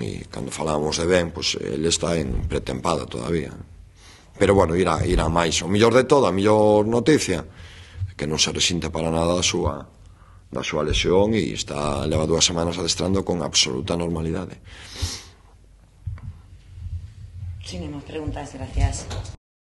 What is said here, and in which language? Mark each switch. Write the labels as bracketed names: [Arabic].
[Galician] E cando falamos de Ben, pues, ele está en pretempada todavía. Pero bueno, irá máis. O mellor de todo, a mellor noticia, que non se resinte para nada da súa lesión e está leva 2 semanas adestrando con absoluta normalidade. [Spanish] Sin más preguntas, gracias.